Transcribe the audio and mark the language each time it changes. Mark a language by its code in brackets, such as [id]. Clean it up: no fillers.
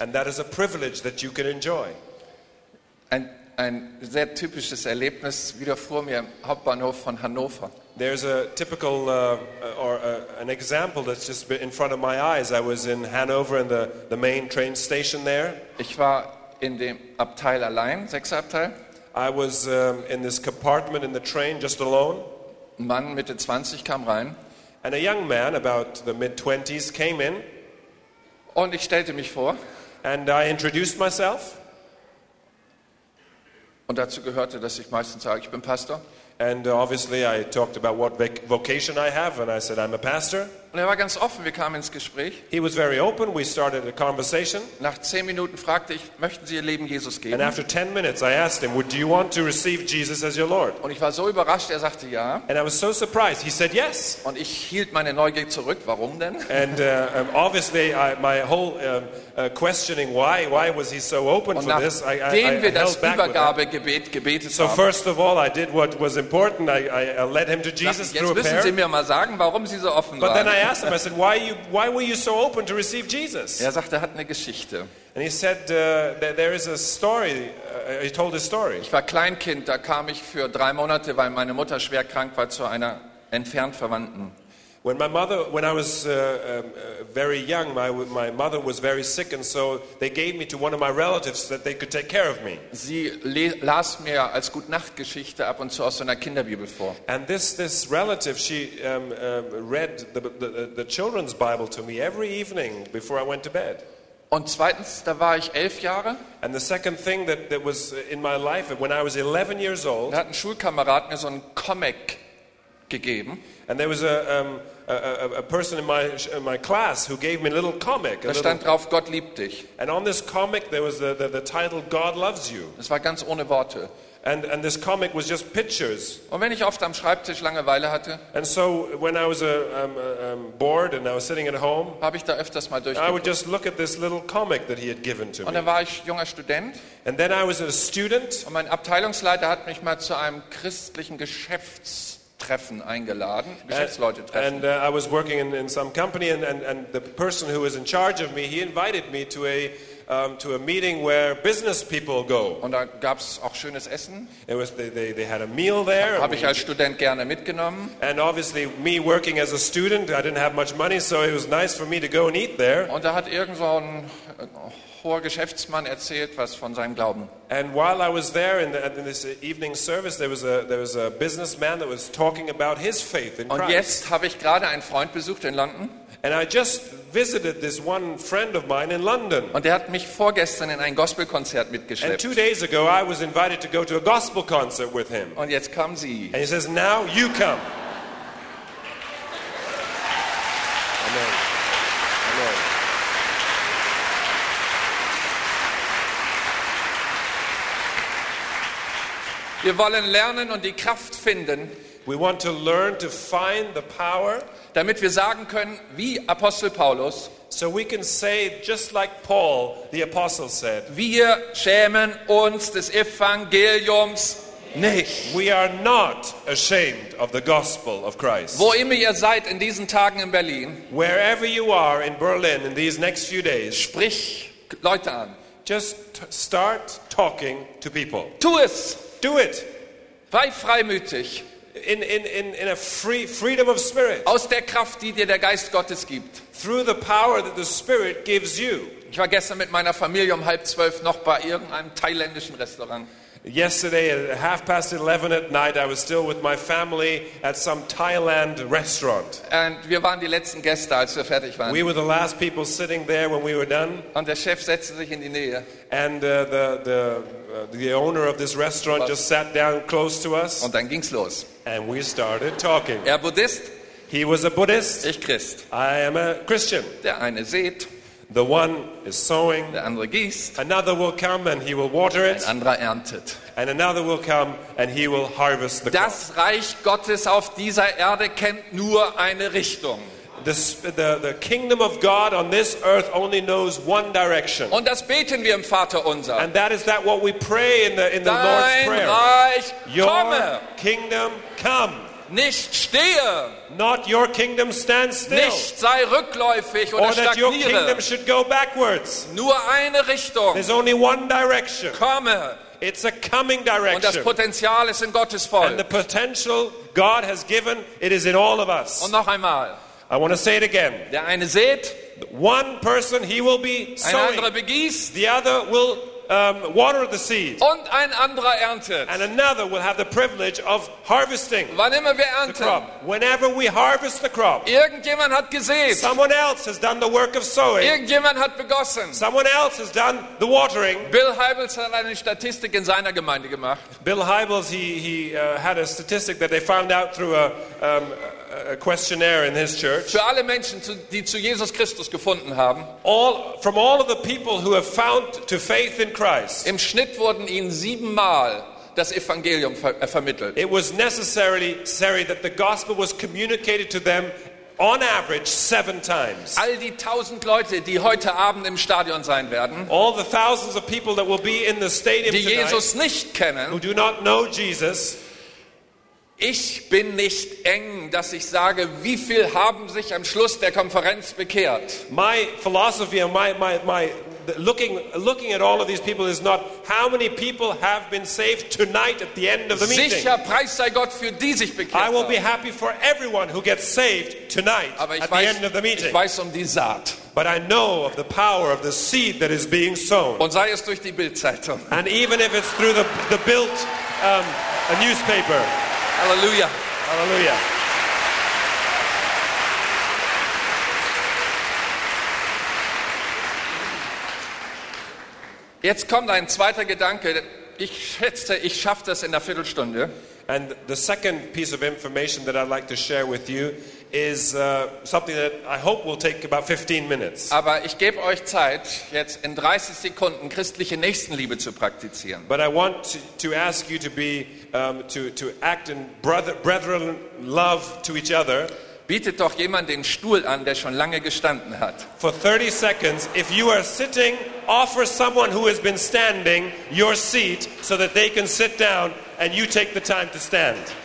[en] And that is a privilege that you can enjoy. [de] Ein sehr typisches Erlebnis widerfuhr mir im Hauptbahnhof von Hannover. [en] There's a typical an example that's just in front of my eyes. I was in Hanover in the main train station there. [de] Ich war in dem Abteil allein, Sechserabteil. [en] I was in this compartment in the train just alone. [de] Ein Mann Mitte 20 kam rein. [en] And a young man about the mid 20s came in. [de] Und ich stellte mich vor. [en] And I introduced myself. [de] Und dazu gehörte, dass ich meistens sage, ich bin Pastor. [en] And obviously I talked about what vocation I have and I said I'm a pastor. [de] Und er war ganz offen, wir kamen ins Gespräch. [en] He was very open, we started a conversation. [de] Nach 10 Minuten fragte ich, möchten Sie Ihr Leben Jesus geben? [en] And after 10 minutes I asked him, do you want to receive Jesus as your Lord? [de] Und ich war so überrascht, er sagte ja. [en] And I was so surprised, he said yes. [de] Und ich hielt meine Neugier zurück, warum denn? [en] And obviously my whole questioning why was he so open [de] und [en] for this? [de] Wir das Übergabegebet gebetet so haben. [en] First of all I did what was important, I led him to Jesus [de] jetzt [en] through a prayer. [de] Sie mir mal sagen, warum Sie so offen [en] but [de] waren. [en] And I asked him, I said, why were you so open to receive Jesus? [de] Er sagt, er hat eine Geschichte. [en] And he said, there is a story, he told a story. [de] Ich war Kleinkind, da kam ich für 3 Monate, weil meine Mutter schwer krank war, zu einer entfernt Verwandten. [en] When I was very young, my mother was very sick, and so they gave me to one of my relatives so that they could take care of me. [de] Sie las mir als Gute-Nacht-Geschichte ab und zu aus einer Kinderbibel vor. [en] And this relative, she read the children's Bible to me every evening before I went to bed. [de] Und zweitens, da war ich 11 Jahre. [en] And the second thing that was in my life when I was 11 years old. [de] Da hat ein Schulkamerad mir so einen Comic gegeben. [en] And there was a person in my class who gave me a little comic. [de] Da stand drauf, Gott liebt dich. [en] And on this comic there was the title God loves you. [de] Es war ganz ohne Worte. [en] And this comic was just pictures. [de] Und wenn ich oft am Schreibtisch Langeweile hatte, [en] and so when I was bored and I was sitting at home, [de] habe ich da öfters mal durchgeguckt. [en] I would just look at this little comic that he had given to me. [de] Und dann war ich junger Student. [en] And then I was a student. [de] Und mein Abteilungsleiter hat mich mal zu einem christlichen Geschäfts Treffen eingeladen, Geschäftsleute treffen. [en] And I was working in some company and the person who was in charge of me, he invited me to a meeting where business people go. [de] Und da gab's auch schönes Essen. [en] It was they had a meal there. [de] Habe ich als Student gerne mitgenommen. [en] And obviously me working as a student, I didn't have much money, so it was nice for me to go and eat there. [de] Und da hat irgend so ein hoher Geschäftsmann erzählt was von seinem Glauben. [en] And while I was there in this evening service, there was a businessman that was talking about his faith in Christ. [de] Und jetzt habe ich gerade einen Freund besucht in London. [en] And I just visited this one friend of mine in London. [de] Und er hat mich vorgestern in ein Gospelkonzert mitgeschleppt. [en] And 2 days ago I was invited to go to a gospel concert with him. [de] Und jetzt kommen Sie. [en] And he says, now you come. Amen. Amen. [de] Wir wollen lernen und die Kraft finden. [en] We want to learn to find the power. [de] Damit wir sagen können, wie Apostel Paulus, [en] so we can say just like Paul, the apostle said, [de] wir schämen uns des Evangeliums nicht. [en] We are not ashamed of the gospel of Christ. [de] Wo immer ihr seid in diesen Tagen in Berlin, [en] wherever you are in Berlin in these next few days, [de] sprich Leute an. [en] Just start talking to people. [de] Tu es. [en] Do it. [de] Sei freimütig. [en] In a free freedom of spirit. [de] Aus der Kraft, die dir der Geist Gottes gibt. [en] Through the power that the Spirit gives you. [de] Ich war gestern mit meiner Familie um 11:30 noch bei irgendeinem thailändischen Restaurant. [en] Yesterday at 11:30 at night, I was still with my family at some Thailand restaurant. [de] Und wir waren die letzten Gäste, als wir fertig waren. [en] We were the last people sitting there when we were done. [de] Und der Chef setzte sich in die Nähe. [en] And the owner of this restaurant just sat down close to us. [de] Und dann ging's los. [en] And we started talking. [de] Buddhist. [en] He was a Buddhist. [de] Ich Christ. [en] I am a Christian. [de] Der eine sät. [en] The one is sowing. [de] Der andere gießt. [en] Another will come and he will water it. [de] Ein anderer erntet. [en] And another will come and he will harvest the crop. [de] Das Reich Gottes auf dieser Erde kennt nur eine Richtung. [en] The kingdom of God on this earth only knows one direction. [de] Und das beten wir im Vater unser. [en] And that is that what we pray in the Lord's prayer. [de] Reich [en] your [de] komme. [en] Kingdom come. [de] Nicht stehe. [en] Not your kingdom stand still. [de] Nicht sei rückläufig oder [en] or that [de] stagniere. [en] Your kingdom should go backwards. [de] Nur eine Richtung. [en] There's only one direction. [de] Komme. [en] It's a coming direction. [de] Und das Potenzial ist in Gottes Volk. [en] And the potential God has given, it is in all of us. [de] Und noch einmal. [en] I want to say it again. [de] Der eine sät, [en] one person he will be sowing. [de] Ein anderer begießt, [en] the other will water the seed. [de] Und ein anderer erntet. [en] And another will have the privilege of harvesting. [de] Wann immer wir ernten, [en] the crop. Whenever we harvest the crop. [de] Irgendjemand hat gesät. [en] Someone else has done the work of sowing. [de] Irgendjemand hat begossen. [en] Someone else has done the watering. [de] Bill Hybels hat eine Statistik in seiner Gemeinde gemacht. [en] Bill Hybels had a statistic that they found out through a questionnaire in his church. [de] Für alle Menschen, die zu Jesus Christus gefunden haben. [en] All from all of the people who have found to faith in Christ. [de] Im Schnitt wurden ihnen 7-mal das Evangelium vermittelt. [en] It was necessary that the gospel was communicated to them on average 7 times. [de] All die 1000 Leute, die heute Abend im Stadion sein werden. [en] All the thousands of people that will be in the stadium tonight. [de] Die Jesus nicht kennen. [en] Who do not know Jesus. [de] Ich bin nicht eng, dass ich sage, wie viel haben sich am Schluss der Konferenz bekehrt. [en] My philosophy and my looking at all of these people is not how many people have been saved tonight at the end of the meeting. [de] Sicher, preis sei Gott für die sich bekehrt haben. [en] I will be happy for everyone who gets saved tonight at the end of the meeting. [de] Aber ich weiß um die Saat. [en] But I know of the power of the seed that is being sown. [de] Und sei es durch die Bild-Zeitung. [en] And even if it's through the Bild a newspaper. [de] Hallelujah. [en] Hallelujah. [de] Jetzt kommt ein zweiter Gedanke. Ich schätze, ich schaffe das in der Viertelstunde. [en] And the second piece of information that I'd like to share with you is something that I hope will take about 15 minutes. [de] Aber ich gebe euch Zeit, jetzt in 30 Sekunden christliche Nächstenliebe zu praktizieren. [en] But I want to ask you to be to act in brethren love to each other. [de] Bietet doch jemand den Stuhl an, der schon lange gestanden hat. [en] For 30 seconds, if you are sitting, offer someone who has been standing your seat so that they can sit down and you take the time to stand.